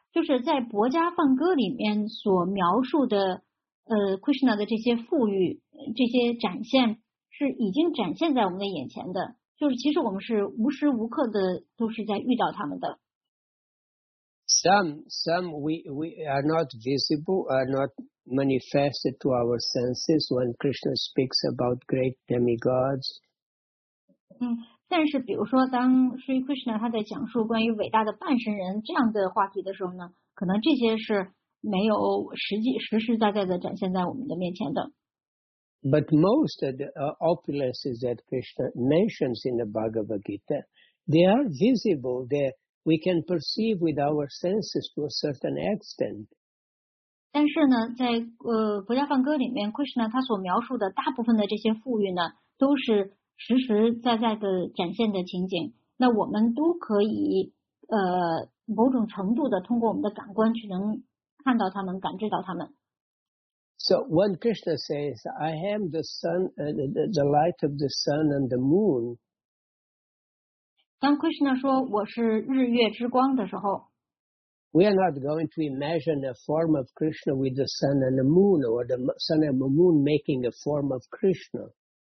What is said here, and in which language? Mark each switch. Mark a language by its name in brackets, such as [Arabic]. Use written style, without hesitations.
[Chinese] 就是在《薄伽梵歌》里面所描述的，Krishna 的这些富裕，这些展现是已经展现在我们的眼前的。就是其实我们是无时无刻的都是在遇到他们的。 [English] Some we are not visible, are not manifested to our senses when Krishna speaks about great demigods. [Chinese] 但是比如说当 Sri Krishna 他在讲述关于伟大的半神人这样的话题的时候呢，可能这些是没有实实在在的展现在我们的面前的。 [English] But most of the opulences that Krishna mentions in the Bhagavad Gita, they are visible, they're,we can perceive with our senses to a certain extent. [Chinese] 但是呢，在《薄伽梵歌》里面 ，Krishna 他所描述的大部分的这些富裕呢，都是实实在在的展现的情景。那我们都可以某种程度的通过我们的感官去能看到他们，感知到他们。 [English] So when Krishna says, "I am the sun, the light of the sun and the moon." [Chinese] 当 Krishna 说我是日月之光的时候 [English] ，We are not going to imagine a form of Krishna with the sun and the moon, or the sun and the moon making a form of Krishna.